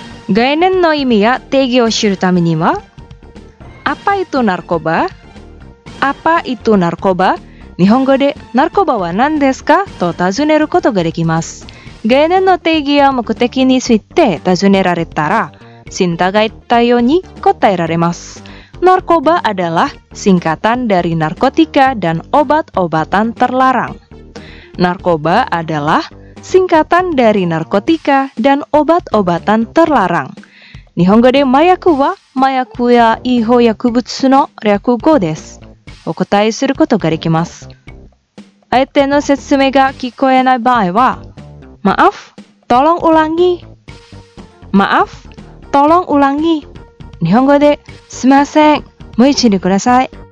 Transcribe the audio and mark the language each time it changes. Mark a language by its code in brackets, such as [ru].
[ja] 概念の意味や定義を知るためには、 [id] apa itu narkoba? Apa itu narkoba? [ja] 日本語で、ナルコバは何ですか？と尋ねることができます。概念の定義や目的について尋ねられたら、シンタが言ったように答えられます。 [id] ナルコバ adalah singkatan dari narkotika dan obat-obatan terlarang. ナルコバ adalah singkatan dari narkotika dan obat-obatan terlarang. [ja] 日本語で、麻薬は麻薬や違法薬物の略語です。お答えすることができます。相手の説明が聞こえない場合は、 [id] マアフ、トロンウランギ。マアフ、トロンウランギ。 [ja] 日本語で、すみません。もう一度ください。